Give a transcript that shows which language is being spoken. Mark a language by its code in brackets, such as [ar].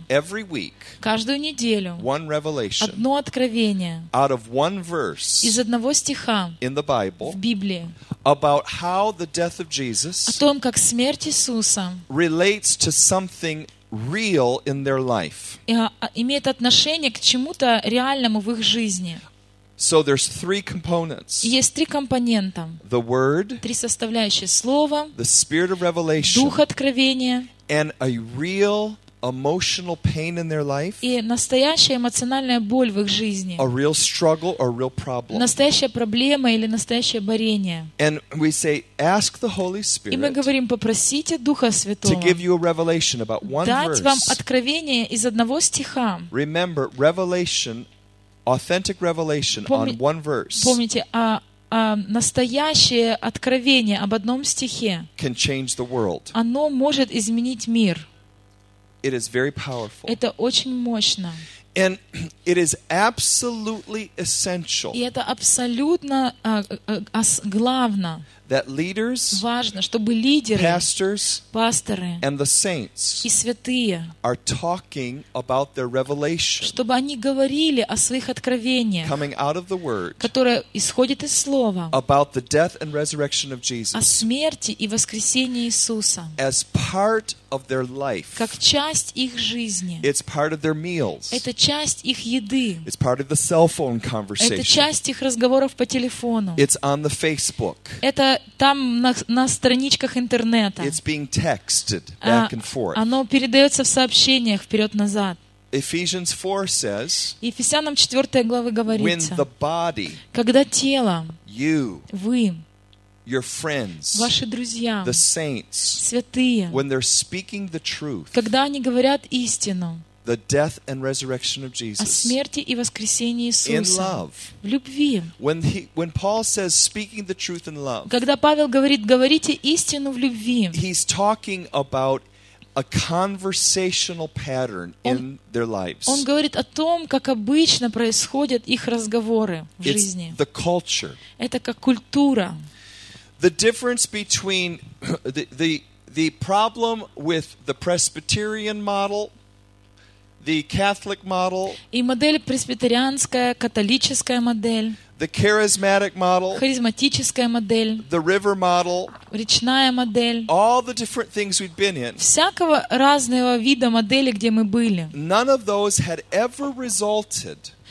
[en] every week, [ru] каждую неделю, [en] one revelation, [ru] одно откровение, [en] out of one verse, [ru] из одного стиха, [en] in the Bible, [ru] в Библии, [en] about how the death of Jesus, [ru] о том, как смерть Иисуса, [en] relates to something real in their life. [ru] Имеет отношение к чему-то реальному в их жизни. [en] So there's three components. [ru] Есть три компонента. [en] The word, [ru] три составляющие: слово, [en] the spirit of revelation, [ru] дух откровения, [en] and a real emotional pain in their life. [ru] И настоящая эмоциональная боль в их жизни. [en] A real struggle or real problem. [ru] Настоящая проблема или настоящее борение. [en] And we say, ask the Holy Spirit. [ru] И мы говорим, попросите Духа Святого. [en] To give you a revelation about one [ru] дать [en] verse. [ru] Дать вам откровение из одного стиха. [en] Remember, revelation, authentic revelation on one verse. [ru] Помните, настоящее откровение об одном стихе. [en] Can change the world. [ru] Оно может изменить мир. [en] It is very powerful. [ru] Это очень мощно. [en] And it is absolutely essential. [ru] И это абсолютно главно. [en] That leaders, [ru] важно, чтобы лидеры, [en] pastors, [ru] пасторы, [en] and the saints, [ru] и святые, [en] are talking about their revelation, [ru] чтобы они говорили о своих откровениях, [en] coming out of the word, [ru] которое исходит из слова, [en] about the death and resurrection of Jesus, [ru] о смерти и воскресении Иисуса, [en] as part of their life, [ru] как часть их жизни, [en] it's part of their meals, [ru] это часть их еды, [en] it's part of the cell phone conversation, [ru] это часть их разговоров по телефону, [en] it's on the Facebook, [ru] это там на страничках интернета. [en] It's being texted back and forth. [ru] Оно передается в сообщениях вперед-назад. [en] Ephesians 4 says, [ru] Ефесянам 4 главы говорится, [en] when the body, [ru] когда тело, [en] you, [ru] вы, [en] your friends, [ru] ваши друзья, [en] the saints, [ru] святые, [en] when they're speaking the truth, [ru] когда они говорят истину, [en] the death and resurrection of Jesus, [ru] о смерти и воскресении Иисуса, [en] in love, [ru] в любви, [en] when Paul says speaking the truth in love, [ru] когда Павел говорит, говорите истину в любви, [en] he's talking about a conversational pattern in their lives. [ru] Он говорит о том, как обычно происходят их разговоры в [en] It's [ru] жизни. [en] The culture. [ru] Это как культура. [en] The difference between the problem with the Presbyterian model, the Catholic model, [ru] и модель пресвитерианская, католическая модель, [en] the charismatic model, [ru] харизматическая модель, [en] the river model, [ru] речная модель, [en] all the different things we've been in, [ru] всякого разного вида модели, где мы были, [en] none of those had ever resulted,